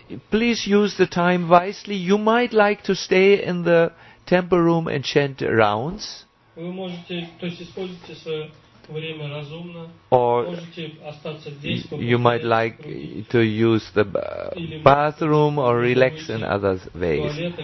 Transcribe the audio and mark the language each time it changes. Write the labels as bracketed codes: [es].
[en] Please use the time wisely. You might like to stay in the temple room and chant rounds. [ru] Вы можете, то есть используйте свое время разумно. [en] Or [ru] можете остаться здесь. [en] You might like to use the bathroom or relax in other ways.